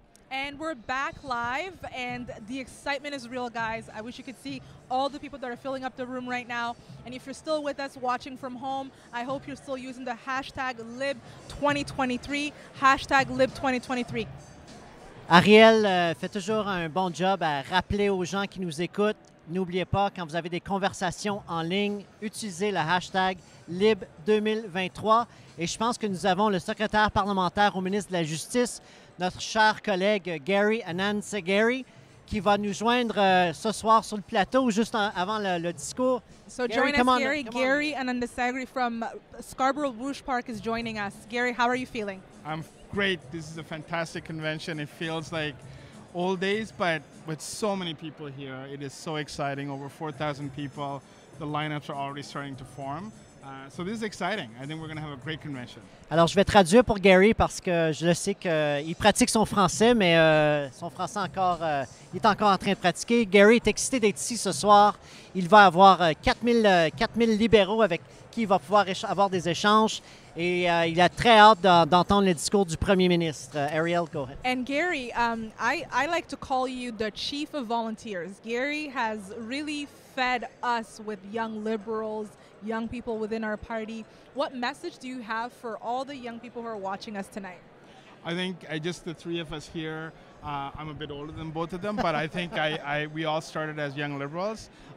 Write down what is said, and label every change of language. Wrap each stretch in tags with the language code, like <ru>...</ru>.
<en>And we're back live, and the excitement is real, guys. I wish you could see all the people that are filling up the room right now. And if you're still with us watching from home, I hope you're still using the hashtag Lib2023, hashtag Lib2023.</en> <fr>Ariel fait toujours un bon job à rappeler aux gens qui nous écoutent. N'oubliez pas, quand vous avez des conversations en ligne, utilisez le hashtag Lib2023. Et je pense que nous avons le secrétaire parlementaire au ministre de la Justice, notre cher collègue Gary Anansagary, qui va nous joindre ce soir sur le plateau, juste avant le discours.</fr> <en>So Gary, join us, Gary. Gary Anansagary from Scarborough Rouge Park is joining us. Gary, how are you feeling? I'm great. This is a fantastic convention. It feels like old days, but with so many people here, it is so exciting. Over 4,000 people. The lineups are already starting to form. So this is exciting. I think we're going to have a great convention.</en> <fr>Alors, je vais traduire pour Gary parce que je le sais qu'il pratique son français, mais son français encore, il est encore en train de pratiquer. Gary est excité d'être ici ce soir. Il va avoir 4 000 libéraux avec qui il va pouvoir avoir des échanges. Et il a très hâte d'entendre le discours du premier ministre.</fr> <en>Ariel, go ahead. And Gary, I like to call you the chief of volunteers. Gary has really fed us with young liberals, young people within our party. What message do you have for all the young people who are watching us tonight? I think just the three of us here, I'm a bit older than both of them, but I think we all started as young liberals.</en>